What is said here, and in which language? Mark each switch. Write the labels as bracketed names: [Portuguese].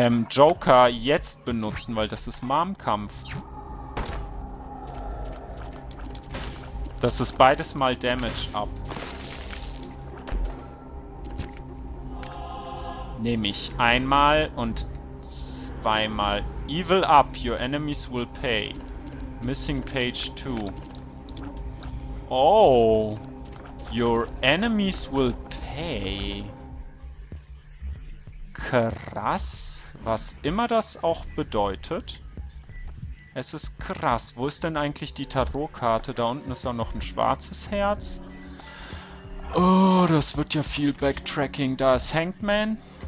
[German] Joker jetzt benutzen, weil das ist Marmkampf. Das ist beides mal Damage ab. Nehme ich einmal und zweimal. [English] Evil up, your enemies will pay. Missing page 2. Oh, your enemies will pay. [German] Krass, was immer das auch bedeutet. Es ist krass. Wo ist denn eigentlich die Tarotkarte? Da unten ist auch noch ein schwarzes Herz. Oh, das wird ja viel Backtracking. Da ist Hangman.